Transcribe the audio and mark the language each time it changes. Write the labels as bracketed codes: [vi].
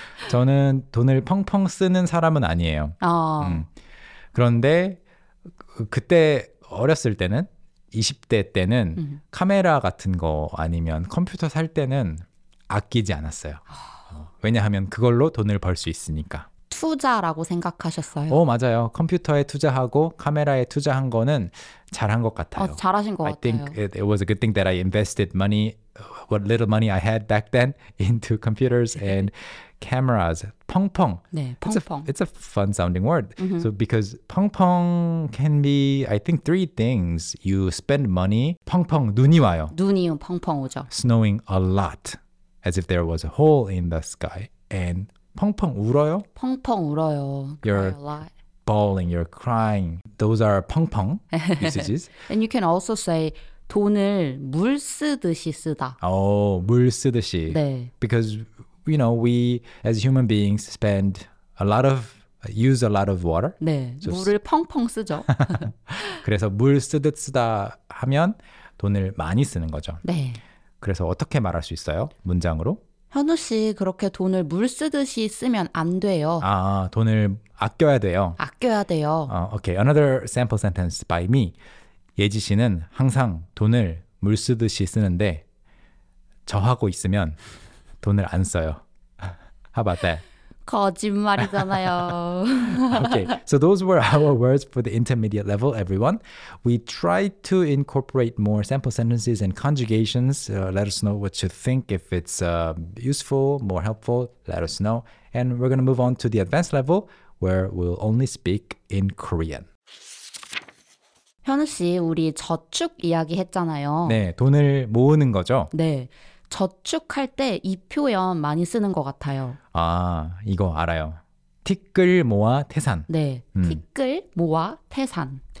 [ko] 저는 돈을 펑펑 쓰는 사람은 아니에요. 그런데 그때 어렸을 때는 20대 때는 카메라 같은 거 아니면 컴퓨터 살 때는 아끼지 않았어요. 왜냐하면 그걸로 돈을 벌 수 있으니까. 투자라고 생각하셨어요? 맞아요. 컴퓨터에 투자하고 카메라에 투자한 거는 잘한 것 같아요. 잘하신 것 같아요. [en] I think it was a good thing that I invested money, what little money I had back then, into computers and cameras. [ko] 펑펑. 네, 펑펑. [en] It's a fun sounding word. Mm-hmm. So because 펑펑 can be, I think, three things. You spend money, 펑펑, [ko] 눈이 와요. 눈이 펑펑 오죠. [en] Snowing a lot, as if there was a hole in the sky. And [ko] 펑펑 울어요? 펑펑 울어요. [en] Your cry a lot. bawling, you're crying. Those are 펑펑 usages. And you can also say [ko] 돈을 물 쓰듯이 쓰다. Oh, 물 쓰듯이. 네. [en] Because, you know, we as human beings spend a lot of, use a lot of water. [ko] 네, [en] so [ko] 물을 펑펑 쓰죠. 그래서 물 쓰듯 쓰다 하면 돈을 많이 쓰는 거죠. 네. 그래서 어떻게 말할 수 있어요? 문장으로? 현우 씨, 그렇게 돈을 물 쓰듯이 쓰면 안 돼요. 아, 돈을 아껴야 돼요. 아껴야 돼요. [en] 어, okay, another sample sentence by me. [ko] 예지 씨는 항상 돈을 물 쓰듯이 쓰는데 저하고 있으면 돈을 안 써요. [en] How about that? [ko] 거짓말이잖아요. [en] Okay, so those were our words for the intermediate level, everyone. We tried to incorporate more sample sentences and conjugations. Let us know what you think. If it's useful, more helpful, let us know. And we're going to move on to the advanced level where we'll only speak in Korean. [ko] 현우 씨, 우리 저축 이야기 했잖아요. 네, 돈을 모으는 거죠? 네. 저축할 때 이 표현 많이 쓰는 것 같아요. 아, 이거 알아요. 티끌 모아 태산. 네, 티끌 모아 태산.